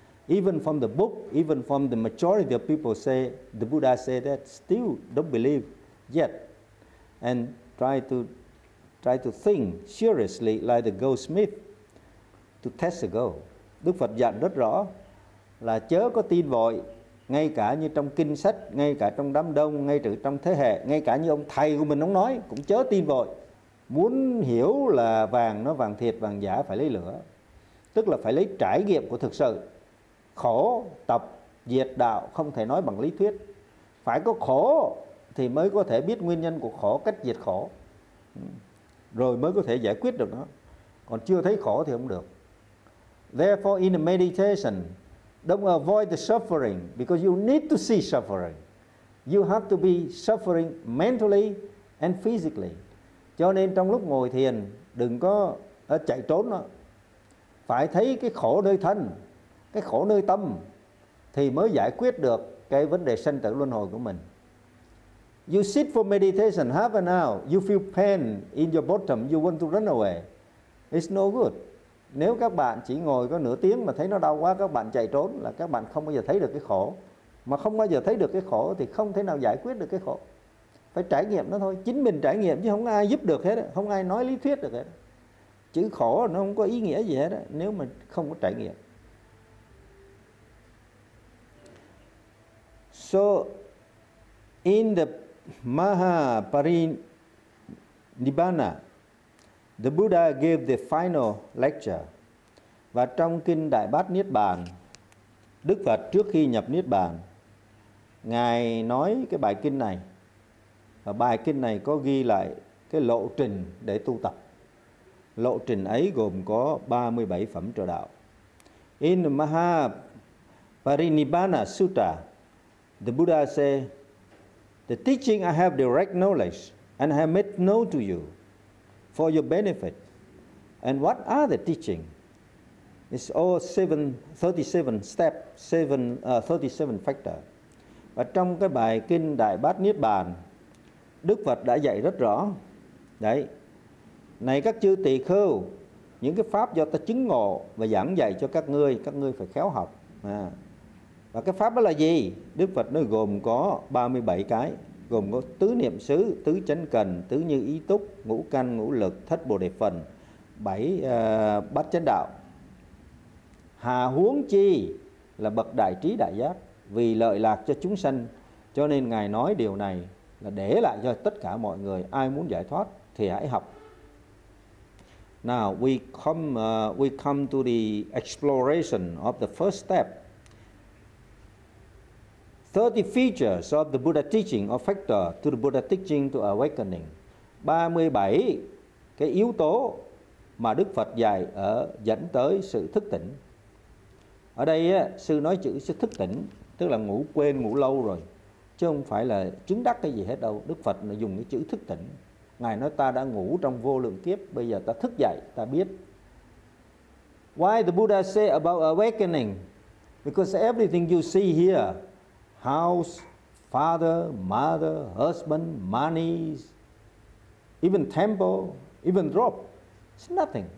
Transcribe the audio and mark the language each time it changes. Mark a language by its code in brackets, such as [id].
[en] Even from the book, even from the majority of people say, the Buddha say that, still don't believe yet. And try to think seriously like the goldsmith to test the gold. [vi] Đức Phật dặn rất rõ là chớ có tin vội, ngay cả như trong kinh sách, ngay cả trong đám đông, ngay cả trong thế hệ, ngay cả như ông thầy của mình ông nói, cũng chớ tin vội. Muốn hiểu là vàng nó vàng thiệt, vàng giả phải lấy lửa. Tức là phải lấy trải nghiệm của thực sự. Khổ, tập, diệt đạo không thể nói bằng lý thuyết. Phải có khổ thì mới có thể biết nguyên nhân của khổ, cách diệt khổ. Rồi mới có thể giải quyết được nó. Còn chưa thấy khổ thì không được. [en] Therefore in the meditation, Don't avoid the suffering because you need to see suffering. You have to be suffering mentally and physically. [vi] Cho nên trong lúc ngồi thiền đừng có chạy trốn nó. Phải thấy cái khổ nơi thân, cái khổ nơi tâm thì mới giải quyết được cái vấn đề sanh tử luân hồi của mình. [en] You sit for meditation half an hour, you feel pain in your bottom, you want to run away. It's no good. [vi] Nếu các bạn chỉ ngồi có nửa tiếng mà thấy nó đau quá, các bạn chạy trốn là các bạn không bao giờ thấy được cái khổ. Mà không bao giờ thấy được cái khổ thì không thể nào giải quyết được cái khổ. Phải trải nghiệm nó thôi, chính mình trải nghiệm chứ không ai giúp được hết, không ai nói lý thuyết được hết. Chữ khổ nó không có ý nghĩa gì hết nếu mà không có trải nghiệm. [en] So in the Maha Parinibbana, the Buddha gave the final lecture. [vi] Và trong kinh Đại Bát Niết Bàn, Đức Phật trước khi nhập Niết Bàn, Ngài nói cái bài kinh này. Và bài kinh này có ghi lại cái lộ trình để tu tập. Lộ trình ấy gồm có 37 phẩm trợ đạo. [en] In the Maha Parinibbana Sutta, the Buddha said, the teaching I have direct knowledge and I have made known to you for your benefit. And what are the teaching? It's all 37 steps, 37 factors. [vi] Và trong cái bài kinh Đại Bát Niết Bàn, Đức Phật đã dạy rất rõ. Đấy, này các chư tỳ khưu, những cái pháp do ta chứng ngộ và giảng dạy cho các ngươi phải khéo học. À. Và cái pháp đó là gì? Đức Phật nó gồm có 37 cái, gồm có tứ niệm xứ, tứ chánh cần, tứ như ý túc, ngũ căn, ngũ lực, thất bồ đề phần, bảy bát chánh đạo. Hà huống chi là bậc đại trí đại giác, vì lợi lạc cho chúng sanh, cho nên Ngài nói điều này là để lại cho tất cả mọi người, ai muốn giải thoát thì hãy học. [en] Now we come to the exploration of the first step. 30 features of the Buddha teaching or factor to the Buddha teaching to awakening. [vi] 37 cái yếu tố mà Đức Phật dạy ở dẫn tới sự thức tỉnh. Ở đây sư nói chữ sự thức tỉnh tức là ngủ quên, ngủ lâu rồi, chứ không phải là chứng đắc cái gì hết đâu. Đức Phật nó dùng cái chữ thức tỉnh. Ngài nói ta đã ngủ trong vô lượng kiếp, bây giờ ta thức dậy, ta biết. [en] Why the Buddha say about awakening? Because everything you see here, house, father, mother, husband, money, even temple, even rope, it's nothing.